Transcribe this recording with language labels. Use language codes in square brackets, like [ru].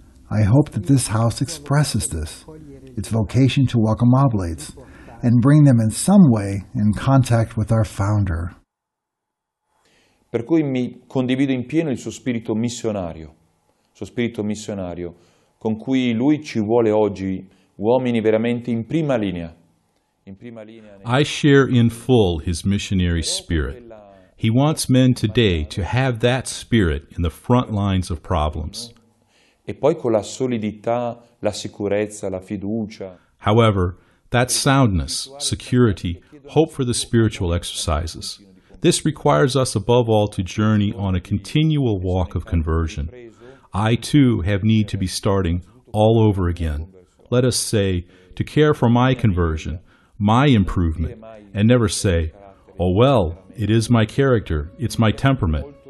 [en] I hope that this house expresses this, its vocation to welcome Oblates, and bring them in some way in contact with our founder. [it] Per cui mi condivido in pieno il suo spirito missionario, con cui lui ci vuole oggi uomini veramente in prima linea. [en] I share in full his missionary spirit. He wants men today to have that spirit in the front lines of problems. [it] E poi con la solidità, la sicurezza, la fiducia. [en] However, that soundness, security, hope for the spiritual exercises. This requires us above all to journey on a continual walk of conversion. I too have need to be starting all over again. Let us say, to care for my conversion, my improvement, and never say, oh well, it is my character, it's my temperament.